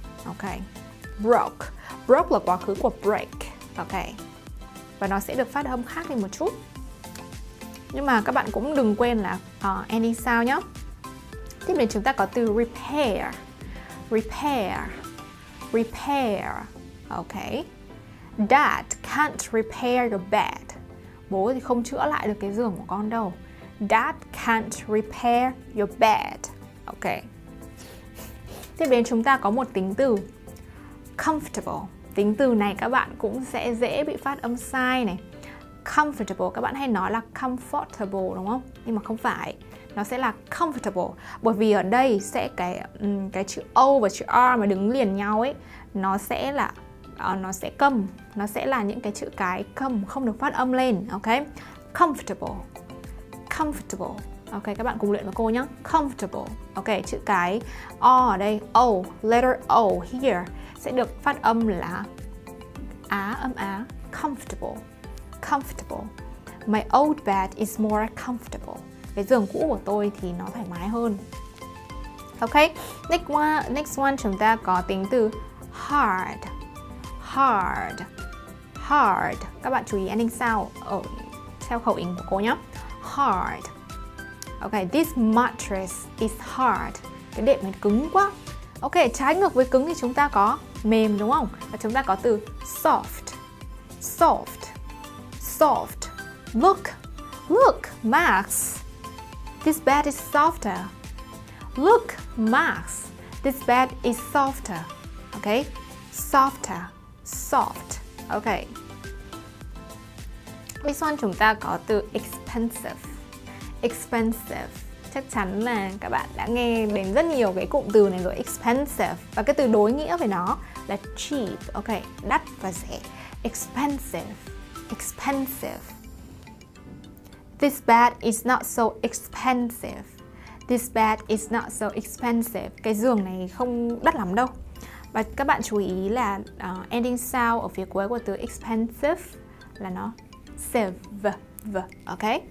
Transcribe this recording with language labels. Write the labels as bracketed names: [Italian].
[English] Ok, broke. Broke [Vietnamese] là quá khứ của [English] break. Ok. [Vietnamese] Và nó sẽ được phát âm khác đi một chút. Nhưng mà các bạn cũng đừng quên là ending sound nhé. Tiếp đến chúng ta có từ repair. [English] Repair. Repair. Ok. Dad can't repair your bed. [Vietnamese] Bố thì không chữa lại được cái giường của con đâu. [English] Dad can't repair your bed. Ok. [Vietnamese] Tiếp đến chúng ta có một tính từ comfortable. Tính từ này các bạn cũng sẽ dễ bị phát âm sai này. Comfortable, các bạn hay nói là comfortable đúng không? Nhưng mà không phải, nó sẽ là comfortable. Bởi vì ở đây sẽ cái chữ O và chữ R mà đứng liền nhau ấy, nó sẽ là, nó sẽ cầm, nó sẽ là những cái chữ cái cầm không được phát âm lên. [English] Ok, comfortable, comfortable. [Vietnamese] Ok, các bạn cùng luyện với cô nhé. Comfortable. Ok, chữ cái O ở đây, O, [English] letter O here [Vietnamese] sẽ được phát âm là á, âm á. [English] Comfortable. Comfortable. My old bed is more comfortable. [Vietnamese] Cái giường cũ của tôi thì nó thoải mái hơn. Ok, [English] next one [Vietnamese] chúng ta có tính từ hard. Hard. Hard. Các bạn chú ý ending sound theo khẩu hình của cô nhé. [English] Hard. Ok, this mattress is hard. [Vietnamese] Cái đệm này cứng quá. Ok, trái ngược với cứng thì chúng ta có mềm đúng không? Và chúng ta có từ soft. Soft. Soft. [English] Look. Look, Max. This bed is softer. Look, Max. This bed is softer. Ok, softer. Soft. Ok. This one [Vietnamese] chúng ta có từ expensive. Expensive. Chắc chắn là các bạn đã nghe đến rất nhiều cái cụm từ này rồi, expensive. Và cái từ đối nghĩa về nó là cheap. Ok, đắt và rẻ. Expensive. Expensive. [English] This bed is not so expensive. This bed is not so expensive. [Vietnamese] Cái giường này không đắt lắm đâu. Và các bạn chú ý là ending sound ở phía cuối của từ expensive là nó sive. Ok.